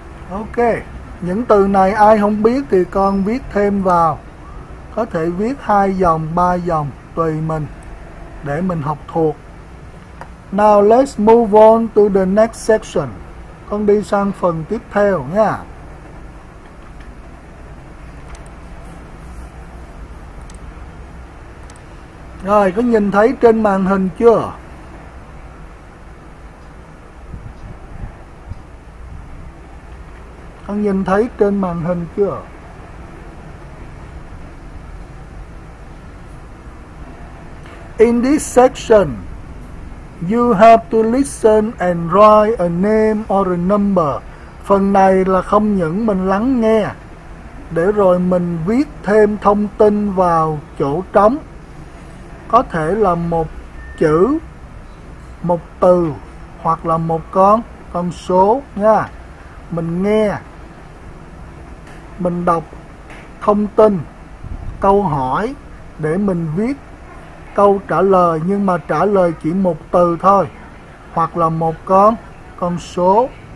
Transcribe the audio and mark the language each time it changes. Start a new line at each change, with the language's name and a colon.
Vietnamese: Ok. Những từ này ai không biết thì con viết thêm vào. Có thể viết 2 dòng, 3 dòng, tùy mình, để mình học thuộc.
English: Now let's move on to the next section.
Vietnamese: Con đi sang phần tiếp theo nha. Rồi, có nhìn thấy trên màn hình chưa? Con nhìn thấy trên màn hình chưa?
English: In this section, you have to listen and write a name or a number.
Vietnamese: Phần này là không những mình lắng nghe, để rồi mình viết thêm thông tin vào chỗ trống. Có thể là một chữ, một từ, hoặc là một con số nha. Mình nghe, mình đọc thông tin, câu hỏi để mình viết câu trả lời, nhưng mà trả lời chỉ một từ thôi, hoặc là một con số.